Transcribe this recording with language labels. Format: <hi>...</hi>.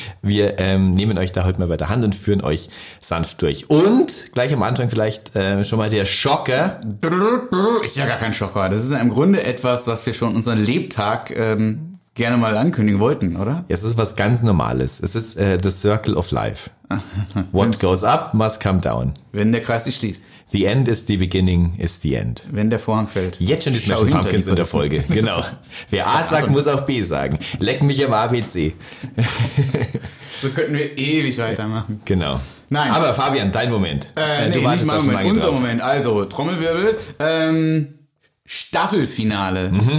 <de>Wir nehmen euch da heute mal bei der Hand und führen euch sanft durch. Und gleich am Anfang vielleicht schon mal der Schocker. Ist ja gar kein Schocker. Das ist ja im Grunde etwas, was wir schon unseren Lebtag gerne mal ankündigen wollten, oder? Ja, es ist was ganz Normales. Es ist</de> <en>the circle of life. What goes up must come down.</en> <de>Wenn der Kreis sich schließt.</de> <en>The end is the beginning is the end.</en> <de>Wenn der Vorhang fällt. Jetzt schon die Smashing Pumpkins in der Folge. Genau. Wer A sagt, muss auch B sagen. Leck mich im ABC. So könnten wir ewig weitermachen. Genau. Nein. Aber Fabian, dein Moment. Du wartest nicht mein Moment. Unser drauf. Moment. Also, Trommelwirbel. Staffelfinale. Mhm.</de>